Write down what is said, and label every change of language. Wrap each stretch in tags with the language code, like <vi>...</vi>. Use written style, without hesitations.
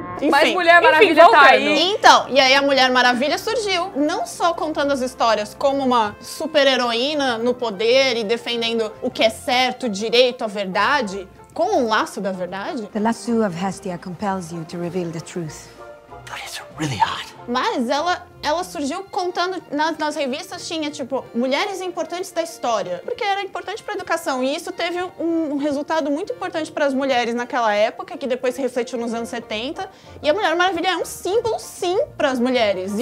<pt>Mas Mulher Maravilha tá aí. Então, e aí a Mulher Maravilha surgiu. Não só contando as histórias como uma super-heroína no poder e defendendo o que é certo, o direito, a verdade, com um laço da verdade.</pt> <en>The lasso of Hestia compels you to reveal the truth.</en> <pt>Mas ela surgiu contando, nas revistas tinha, tipo, mulheres importantes da história. Porque era importante pra educação. E isso teve um resultado muito importante pras mulheres naquela época, que depois se refletiu nos anos 70. E a Mulher Maravilha é um símbolo, sim, pras mulheres.</pt>